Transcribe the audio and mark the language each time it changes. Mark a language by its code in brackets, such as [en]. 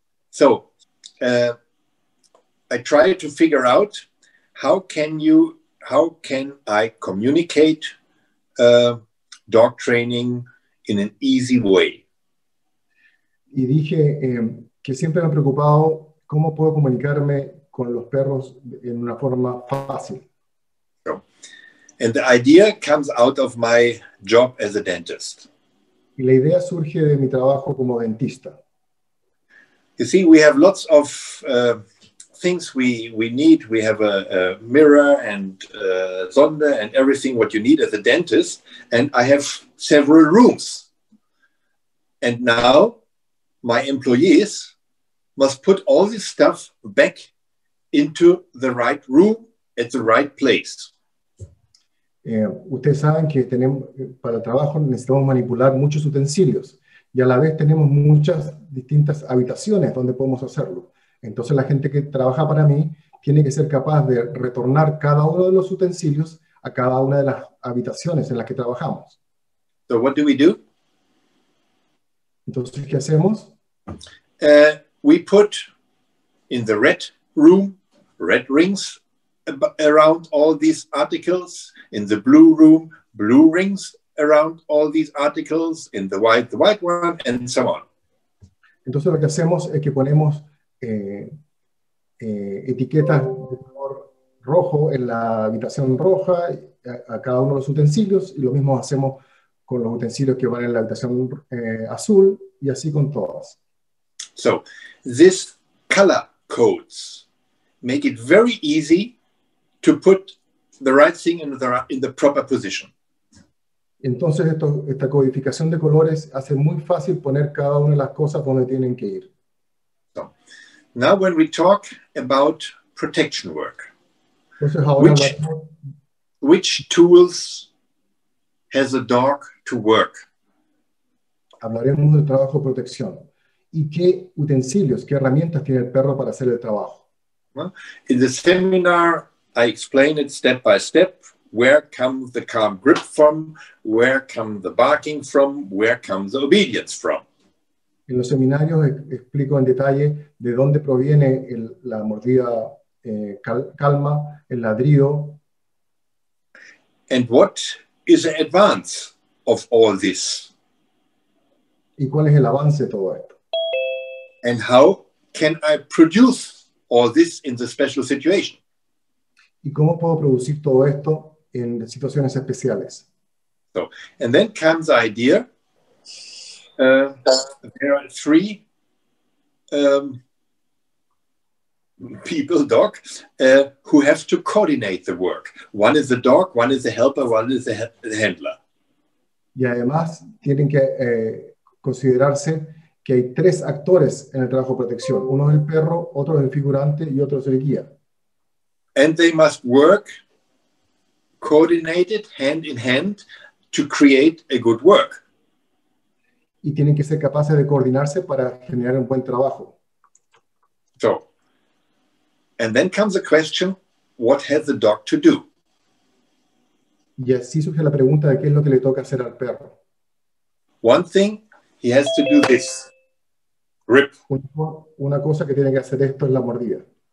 [en] So, I try to figure out how can I communicate dog training in an easy way. [es] Y dije que siempre me ha preocupado cómo puedo comunicarme con los perros en una forma fácil. [en] So, and the idea comes out of my job as a dentist. [es] Y la idea surge de mi trabajo como dentista. [en] You see, we have lots of things we need. We have a mirror and sonda and everything what you need as a dentist. And I have several rooms. And now my employees must put all this stuff back into the right room at the right place. [es] Ustedes saben que tenemos, para trabajo necesitamos manipular muchos utensilios y a la vez tenemos muchas distintas habitaciones donde podemos hacerlo. Entonces la gente que trabaja para mí tiene que ser capaz de retornar cada uno de los utensilios a cada una de las habitaciones en las que trabajamos. [en] So what do we do? [es] Entonces, ¿qué hacemos? [en] We put in the red room, red rings, around all these articles, in the blue room, blue rings around all these articles, in the white one, and so on. [es] Entonces lo que hacemos es que ponemos etiquetas de color rojo en la habitación roja a cada uno de los utensilios, y lo mismo hacemos con los utensilios que van en la habitación azul, y así con todas. [en] So, these color codes make it very easy to put the right thing in the proper position. [es] Entonces esta codificación de colores hace muy fácil poner cada una de las cosas donde tienen que ir. [en] So, now when we talk about protection work, [es] entonces, ahora [en] which tools has a dog to work? [es] Hablaremos del trabajo de protección. ¿Y qué utensilios, qué herramientas tiene el perro para hacer el trabajo? [en] Well, in the seminar, I explain it step by step. Where comes the calm grip from? Where comes the barking from? Where comes the obedience from? [es] En los seminarios explico en detalle de dónde proviene la mordida calma, el ladrido. [en] And what is the advance of all this? [es] ¿Y cuál es el avance de todo esto? [en] And how can I produce all this in the special situation? [es] ¿Y cómo puedo producir todo esto en situaciones especiales? [en] So, and then comes the idea. There are three people, dog, who have to coordinate the work. One is the dog, one is the helper, one is the handler. [es] Y además tienen que considerarse que hay tres actores en el trabajo de protección. Uno es el perro, otro es el figurante y otro es el guía. [en] And they must work coordinated hand in hand to create a good work. [es] Y tienen que ser capaces de coordinarse para generar un buen trabajo. [en] So, and then comes the question, what has the dog to do? [es] Y así surge la pregunta de qué es lo que le toca hacer al perro. [en] One thing, he has to do this. Rip. [es] Una cosa que tiene que hacer esto es la mordida.